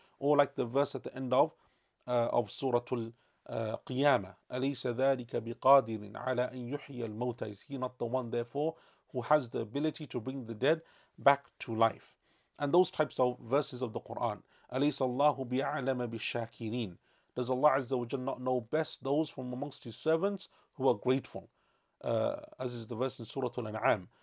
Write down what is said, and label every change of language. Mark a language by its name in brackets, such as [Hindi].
[English] Or like the verse at the end of Suratul Qiyamah, [Arabic] أليس ذلك بقادر على أن يحيي الموتى. [English] Is he not the one, therefore, who has the ability to bring the dead back to life? And those types of verses of the Quran. [Arabic] أليس الله بأعلم بالشاكرين. [English] Does Allah Azza wa Jalla not know best those from amongst His servants who are grateful? As is the verse in Surah Al-An'am.